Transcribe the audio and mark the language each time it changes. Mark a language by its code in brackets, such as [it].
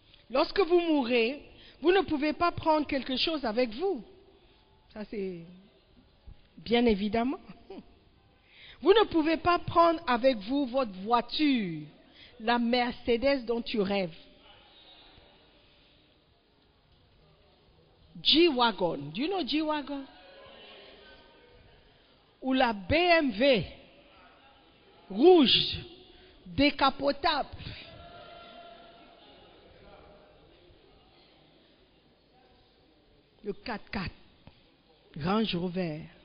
[fr] Lorsque vous mourrez, vous ne pouvez pas prendre quelque chose avec vous. Ça c'est bien évidemment. Vous ne pouvez pas prendre avec vous votre voiture, la Mercedes dont tu rêves. [en] G-Wagon, do you know G-Wagon? [fr] Ou la BMW rouge, décapotable. Le 4x4, Range Rover.